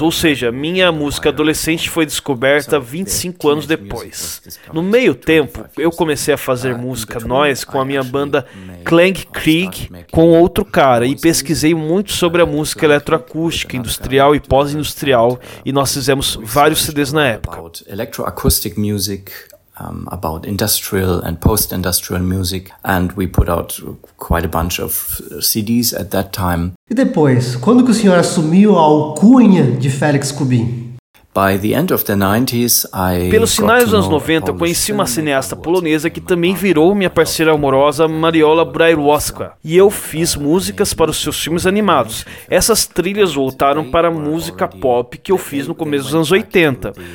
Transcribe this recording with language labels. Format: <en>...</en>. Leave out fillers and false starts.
<pt>Ou seja, minha música adolescente foi descoberta 25 anos depois. No meio tempo, eu comecei a fazer música noise com a minha banda Klang Krieg com outro cara e pesquisei muito sobre a música eletroacústica, industrial e pós-industrial, e nós fizemos vários CDs na época.</pt> <en>About electroacoustic music, about industrial and post-industrial music, and we put out quite a bunch of CDs at that time. E depois, quando que o senhor assumiu a alcunha de Felix Cubin? By the end of the 90s, I</en> <pt>Pelos finais dos anos 90, eu conheci uma cineasta polonesa que também virou minha parceira amorosa, Mariola Brailowska. E eu fiz músicas para os seus filmes animados. Essas trilhas voltaram para a música pop que eu fiz no começo dos anos 80.</pt>